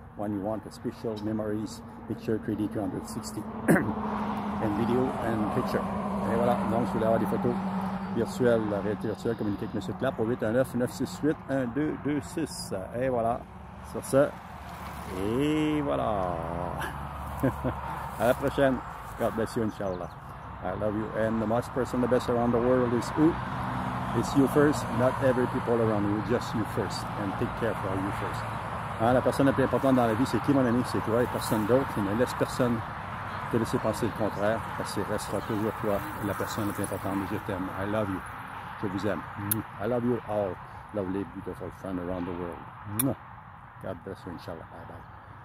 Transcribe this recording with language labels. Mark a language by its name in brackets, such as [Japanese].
[English] When you want a special memories, picture 3D 360, and video and picture. [French] Et voilà, donc je voulais avoir des photos virtuelles, la réalité virtuelle, communiquer avec Monsieur Clap au 819-968-1226. Et voilà, sur ce. Et voilà. À la prochaine. [English] God bless you, inshallah. I love you. And the most person, the best around the world is who? It's you first, not every people around you, just you first. And take care for you first. [French] Hein, la personne la plus importante dans la vie, c'est qui, mon ami? C'est toi et personne d'autre. Et ne laisse personne te laisser penser le contraire, parce qu'il restera toujours toi et la personne la plus importante. Je t'aime. [English] I love you. [French] Je vous aime. [English] I love you all, lovely, beautiful friends around the world. God bless you, inshallah. Bye-bye.